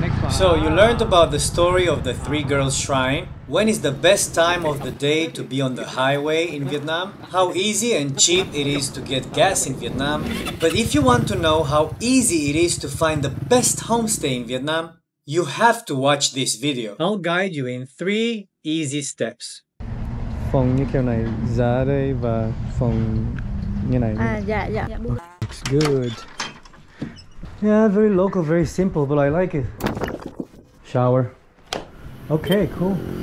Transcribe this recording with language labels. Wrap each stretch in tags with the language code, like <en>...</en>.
<en>So you learned about the story of the Three Girls Shrine. When is the best time of the day to be on the highway in Vietnam? How easy and cheap it is to get gas in Vietnam? But if you want to know how easy it is to find the best homestay in Vietnam, you have to watch this video. I'll guide you in three easy steps.</en> <vi>Phòng như kiểu này giá đây và phòng như này.</vi> <en>Yeah. Looks good. Yeah, very local, very simple, but I like it. Shower. Okay, cool.</en>